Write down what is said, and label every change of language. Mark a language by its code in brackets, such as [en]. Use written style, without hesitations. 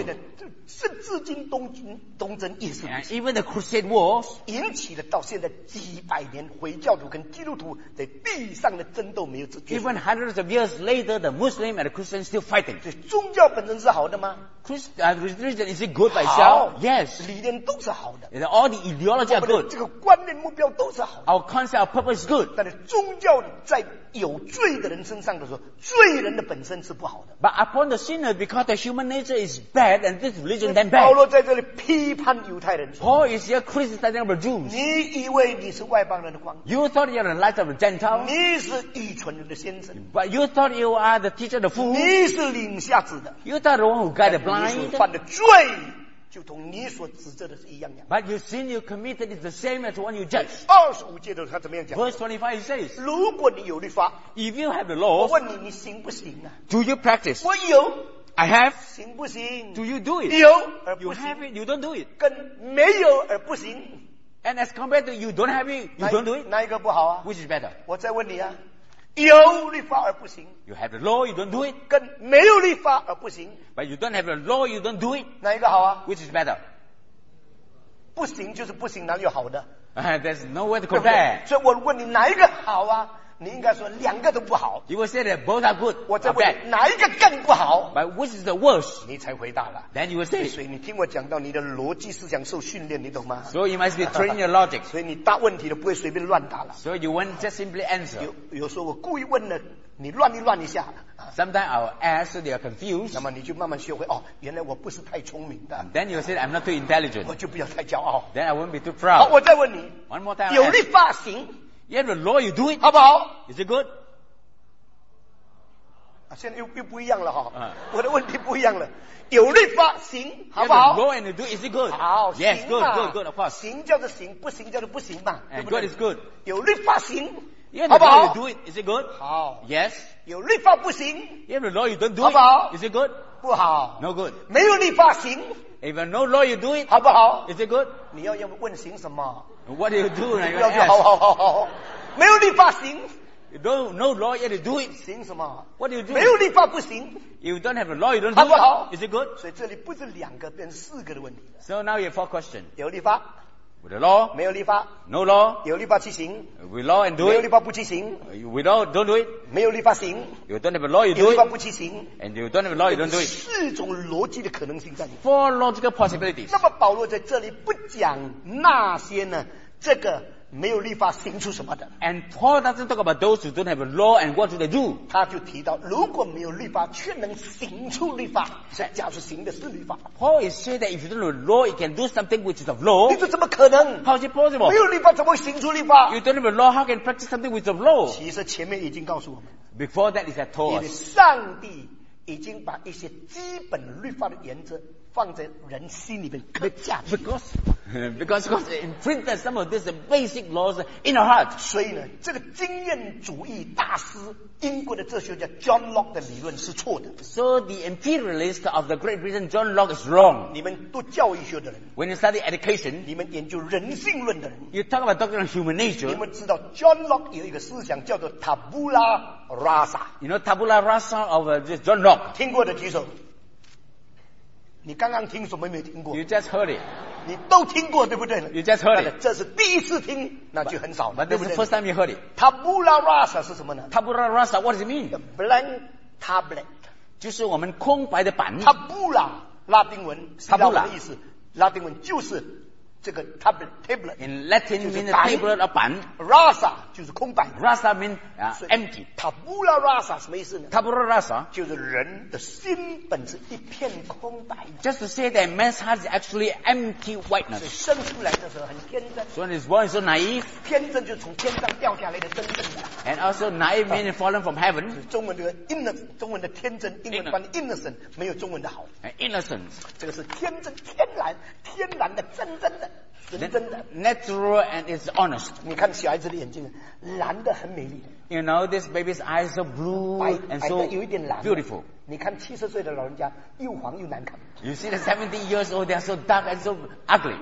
[zh] 所以呢是至今东征也是 [en] And even the crusade wars [zh] 引起了到现在几百年回教徒跟基督徒在地上的争斗没有止境 [en] Even hundreds of years later the Muslim and the Christian still fighting [zh] 宗教本身是好的吗 [en] religion is it good by itself yes [zh] 理念都是好的 [en] and all the ideology are good [zh] 这个观念目标都是好的 [en] our concept our purpose is good [zh] 但是宗教在有罪的人身上的时候罪人的本身是不好的 [en] but upon the sinner because the human nature is bad and this religion then bad [zh] 保罗在这里批判犹太人 [en] Paul is here criticizing the Jews [zh] 你以为你是外邦人的光 [en] you thought you are the light of the Gentiles [zh] 你是愚蠢人的先生 [en] but you thought you are the teacher of the fool [zh] 你是领瞎子的 [en] you thought the one who guide the blind [zh] 你所犯的罪就同你所指责的是一样的。 [en] But your sin you committed is the same as one you judge. [zh] 25节的他怎么样讲 [en] ？Verse 25 says, [zh] 如果你有律法 [en] ，If you have the law, [zh] 我问你，你行不行啊 [en] ？Do you practice? [zh] 我有。 [en] I have. [zh] 行不行 [en] ？Do you do it? [zh] 有而不行。 [en] You have it, you don't do it. [zh] 跟没有而不行。 [en] And as compared to you don't have it, you don't do it. [zh] 哪一个不好啊 [en] ？Which is better? [zh] 我再问你啊。有律法而不行 [en] You have the law, you don't do it [zh] 跟没有律法而不行 [en] But you don't have the law, you don't do it [zh] 哪一个好啊 [en] Which is better [zh] 不行就是不行哪里有好的 [en] There's no way to compare [zh] 所以我问你哪一个好啊你应该说两个都不好 [en] You will say that both are good [zh] 我再问你哪一个更不好 [en] But which is the worst [zh] 你才回答了 [en] Then you will say [zh] 所以你听我讲到你的逻辑思想受训练你懂吗 [en] So you must be training your logic [zh] 所以你答问题都不会随便乱答了 [en] So you won't just simply answer [zh] 有时候我故意问了你乱一下 [en] Sometimes I'll ask, so they are confused. [zh] 那么你就慢慢学会哦，原来我不是太聪明的。 [en] Then you said I'm not too intelligent. [zh] 我就不要太骄傲。 [en] Then I won't be too proud. [zh] 好，我再问你。 [en] One more time. [zh] 有律法行。 [en] You have the law, you do it. [zh] 好不好？ [en] Is it good? [zh] 啊，现在又不一样了哈。我的问题不一样了。有律法行，好不好？ [en] You have the law and you do. Is it good? [zh] 好。 [en] Yes, good, good, good. Of course. [zh] 行叫做行，不行叫做不行嘛。 [en] And good is good. [zh] 有律法行。 [en] You have the law, you do it. Is it good? [zh] 好。 [en] Yes. [zh] 有律法不行。 [en] You have the law, you don't do it. [zh] 好不好？ [en] Is it good? [zh] 不好。 [en] No good. [zh] 没有律法行。 [en] If no law, you do it. [zh] 好不好？ [en] Is it good? [zh] 你要问行什么？ [en] What do you do? [zh] 你要就好好好好。没有律法行。 [en] You don't know law, you have to do it. [zh] 行什么？ [en] What do you do? [zh] 没有律法不行。 [en] You don't have a law, you don't do it. [zh] 好不好？ [en] Is it good? [zh] 所以这里不是两个，变成四个的问题了。 [en] So now you have four questions. [zh] 有律法。 [en] With the law. [zh] 没有律法。 [en] No law. [zh] 有律法去行。 [en] With law and do it. [zh] 没有律法不去行。 [en] With law, don't do it. [zh] 没有律法行。 [en] You don't have a law, you do it. [zh] 有律法不去行。 [en] And you don't have a law, you don't do it. [zh] 四种逻辑的可能性在里面。 [en] Four logical possibilities. [zh] 那么保罗在这里不讲那些呢，这个没有律法行出什么的。 [en] And Paul doesn't talk about those who don't have a law and what do they do. [zh] 他就提到，如果没有律法，却能行出律法，假如行的是律法。 [en] Paul is saying that if you don't have a law, you can do something which is of law. [zh] 你说怎么可能？ [en] How is it possible? [zh] 没有律法怎么会行出律法？ [en] You don't have a law, how can you practice something which is of law? [zh] 其实前面已经告诉我们。 [en] Before that is at all. [zh] 因为上帝已经把一些基本律法的原则放在人心里面刻下去。 [en] Because God imprinted some of these basic laws in our heart. [zh] 所以呢，这个经验主义大师，英国的哲学家 John Locke 的理论是错的。 [en] So the imperialist of the Great Britain John Locke is wrong. [zh] 你们读教育学的人 [en] ，When you study education， [zh] 你们研究人性论的人 [en] ，You talk about doctrine of human nature。 [zh] 你们知道 John Locke 有一个思想叫做 tabula rasa。 [en] You know tabula rasa of John Locke。 [zh] 听过的举手。你刚刚听什么没听过 [en] ？You just heard it。 [zh] 你都听过对不对 [en] ？You just heard it。 [zh] 这是第一次听，那就很少了。 [en] But this is the first time you heard it。 [zh] Tabula rasa 是什么呢 [en] ？Tabula rasa what does it mean？ The blank tablet。 [zh] 就是我们空白的板。 Tabula 拉丁文是什么意思？拉丁文就是这个 tablet。 [en] In Latin means tablet or 板。 [zh] Rasa 就是空白。 [en] Rasa means empty。 [zh] Tabula rasa 什么意思呢 [la] ？Tabula rasa [zh] 就是人的心本是一片空白。 [en] Just to say that man's heart is actually empty whiteness。 [zh] 所以生出来的时候很天真。 [en] So when he's born, he's so naive。 [zh] 天真就从天上掉下来的真正的。 [en] And also naive means fallen from heaven。 [zh] 中文的 innocent， 中文的天真，英文翻译 innocent， 没有中文的好。 [en] Innocent， [zh] 这个是天真、天然的真真的。 [en] Natural and it's honest. [zh] 你看小孩子的眼睛，蓝的很美丽。 [en] You know this baby's eyes are blue and so beautiful. [zh] 你看七十岁的老人家又黄又难看。 [en] You see the 70 years old, they are so dark and so ugly.